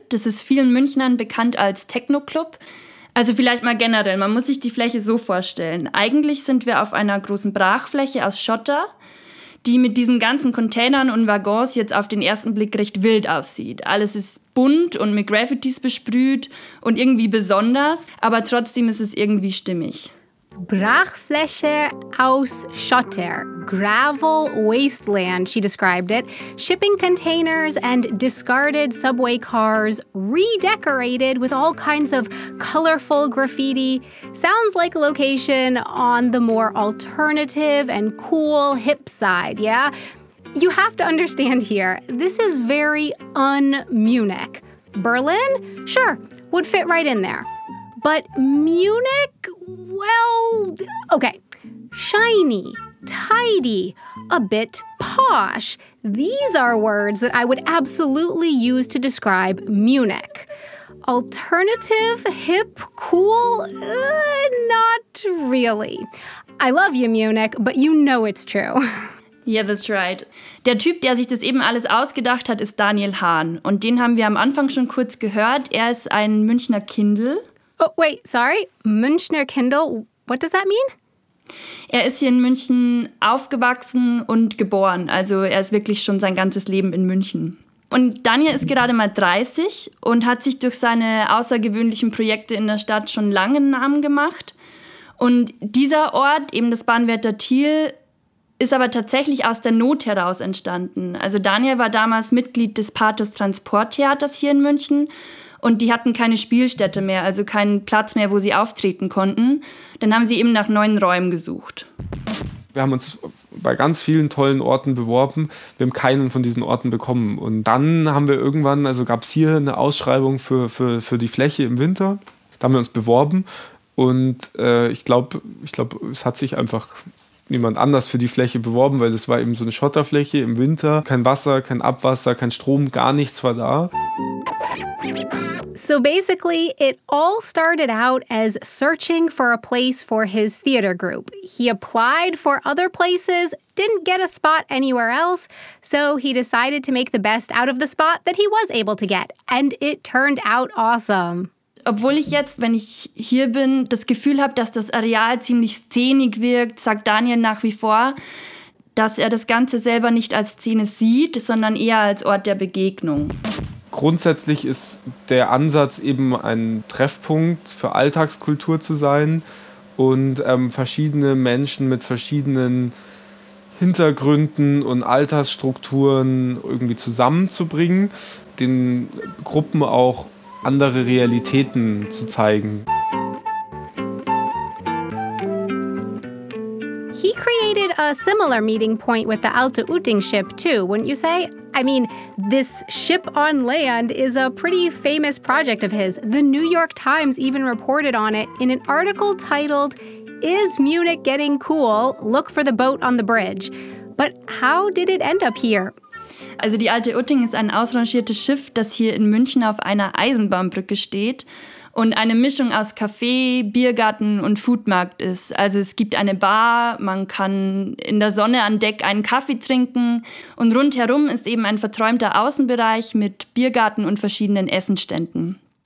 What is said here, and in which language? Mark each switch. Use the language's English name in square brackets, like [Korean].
[German] Das ist vielen Münchnern bekannt als Techno-Club. Also vielleicht mal generell, man muss sich die Fläche so vorstellen. Eigentlich sind wir auf einer großen Brachfläche aus Schotter, die mit diesen ganzen Containern und Waggons jetzt auf den ersten Blick recht wild aussieht. Alles ist bunt und mit Graffitis besprüht und irgendwie besonders, aber trotzdem ist es irgendwie stimmig. Brachfläche aus Schotter, [English] gravel wasteland, she described it. Shipping containers and discarded subway cars redecorated with all kinds of colorful graffiti. Sounds like a location on the more alternative and cool hip side, yeah? You have to understand here, this is very un-Munich. Berlin? Sure, would fit right in there. But Munich, well, okay, shiny, tidy, a bit posh. These are words that I would absolutely use to describe Munich. Alternative, hip, cool? Not really. I love you, Munich, but you know it's true. Yeah, that's right. [German] Der Typ, der sich das eben alles ausgedacht hat, ist Daniel Hahn. Und den haben wir am Anfang schon kurz gehört. Er ist ein Münchner Kindl. [English] Oh, wait, sorry. Münchner Kindl, what does that mean? [German] Er ist hier in München aufgewachsen und geboren. Also er ist wirklich schon sein ganzes Leben in München. Und Daniel ist gerade mal 30 und hat sich durch seine außergewöhnlichen Projekte in der Stadt schon lange einen Namen gemacht. Und dieser Ort, eben das Bahnwärter Thiel, ist aber tatsächlich aus der Not heraus entstanden. Also Daniel war damals Mitglied des Pathos Transporttheaters hier in München. Und die hatten keine Spielstätte mehr, also keinen Platz mehr, wo sie auftreten konnten. Dann haben sie eben nach neuen Räumen gesucht. Wir haben uns bei ganz vielen tollen Orten beworben. Wir haben keinen von diesen Orten bekommen. Und dann haben wir irgendwann, also gab es hier eine Ausschreibung für die Fläche im Winter. Da haben wir uns beworben. Und ich glaube, es hat sich einfach niemand anders für die Fläche beworben, weil das war eben so eine Schotterfläche im Winter. Kein Wasser, kein Abwasser, kein Strom, gar nichts war da. [English] So basically, it all started out as searching for a place for his theater group. He applied for other places, didn't get a spot anywhere else, so he decided to make the best out of the spot that he was able to get. And it turned out awesome. [German] Obwohl ich jetzt, wenn ich hier bin, das Gefühl habe, dass das Areal ziemlich szenig wirkt, sagt Daniel nach wie vor, dass er das Ganze selber nicht als Szene sieht, sondern eher als Ort der Begegnung. Grundsätzlich ist der Ansatz eben ein Treffpunkt für Alltagskultur zu sein und verschiedene Menschen mit verschiedenen Hintergründen und Altersstrukturen irgendwie zusammenzubringen, den Gruppen auch andere Realitäten zu zeigen. [English] He created a similar meeting point with the Alte Uting ship too, wouldn't you say? I mean, this ship on land is a pretty famous project of his. The New York Times even reported on it in an article titled, "Is Munich Getting Cool? Look for the Boat on the Bridge." But how did it end up here? [German] Also die Alte Utting ist ein ausrangiertes Schiff, das hier in München auf einer Eisenbahnbrücke steht und eine Mischung aus Café, Biergarten und Foodmarkt ist. Also es gibt eine Bar, man kann in der Sonne an Deck einen Kaffee trinken und rundherum ist eben ein verträumter Außenbereich mit Biergarten und verschiedenen Essenständen.